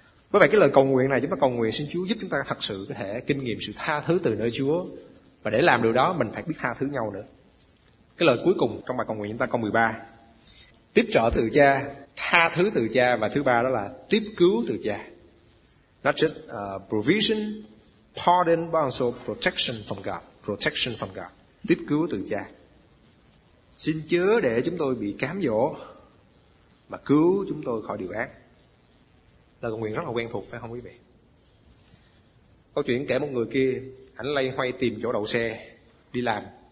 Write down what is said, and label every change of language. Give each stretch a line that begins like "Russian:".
Vietnamese: Bởi vậy cái lời cầu nguyện này, chúng ta cầu nguyện xin Chúa giúp chúng ta thật sự có thể kinh nghiệm sự tha thứ từ nơi Chúa. Và để làm điều đó mình phải biết tha thứ nhau nữa. Cái lời cuối cùng trong bài cầu nguyện chúng ta, câu 13: tiếp trở từ cha, tha thứ từ cha, và thứ ba đó là tiếp cứu từ cha.
English: Not just provision, pardon, but also protection from God. Protection from God.
Vietnamese: Tiếp cứu từ cha. Xin chớ để chúng tôi bị cám dỗ, mà cứu chúng tôi khỏi điều ác. Lời cầu nguyện rất là quen thuộc, phải không quý vị? Câu chuyện kể một người kia, ảnh lây hoay tìm chỗ đậu xe đi làm.